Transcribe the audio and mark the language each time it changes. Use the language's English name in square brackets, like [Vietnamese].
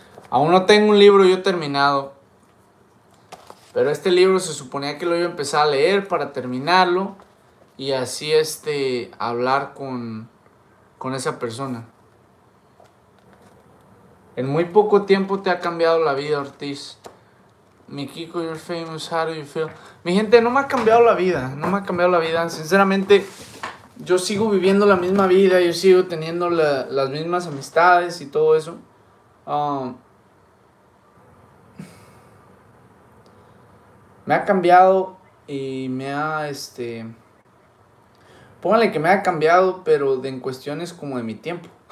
[Spanish] Aún no tengo un libro yo terminado. Pero este libro se suponía que lo iba a empezar a leer para terminarlo. Y así hablar con esa persona. En muy poco tiempo te ha cambiado la vida, Ortiz. [English] Mi Kiko, you're famous, how do you feel? [Spanish] Mi gente, no me ha cambiado la vida. No me ha cambiado la vida. Sinceramente, yo sigo viviendo la misma vida. Yo sigo teniendo las mismas amistades y todo eso. Me ha cambiado y me ha, póngale que me ha cambiado, pero en cuestiones como de mi tiempo.